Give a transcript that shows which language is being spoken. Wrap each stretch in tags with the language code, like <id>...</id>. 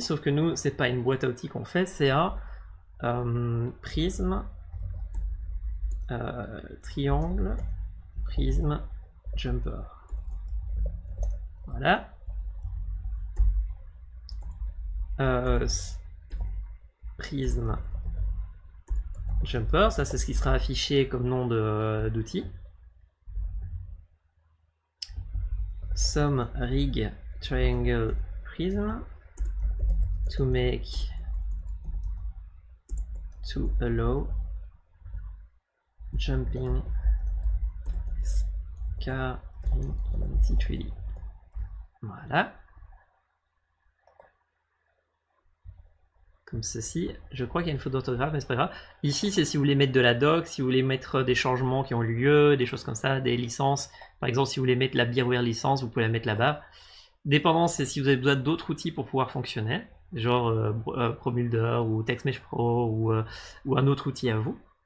<fr>Sauf que nous, ce n'est pas une boîte à outils qu'on fait, c'est un prisme triangle prisme jumper. Voilà. Prisme Jumper, ça c'est ce qui sera affiché comme nom d'outil.</fr> <en>Some rig triangle prism to allow jumping car in 3D.</en> <fr>Voilà. Comme ceci, je crois qu'il y a une faute d'orthographe, mais c'est pas grave. Ici, c'est si vous voulez mettre de la doc, si vous voulez mettre des changements qui ont eu lieu, des choses comme ça, des licences. Par exemple, si vous voulez mettre la Beerware licence, vous pouvez la mettre là-bas. Dépendance, c'est si vous avez besoin d'autres outils pour pouvoir fonctionner, genre Promulder ou TextMesh Pro ou un autre outil à vous.</fr>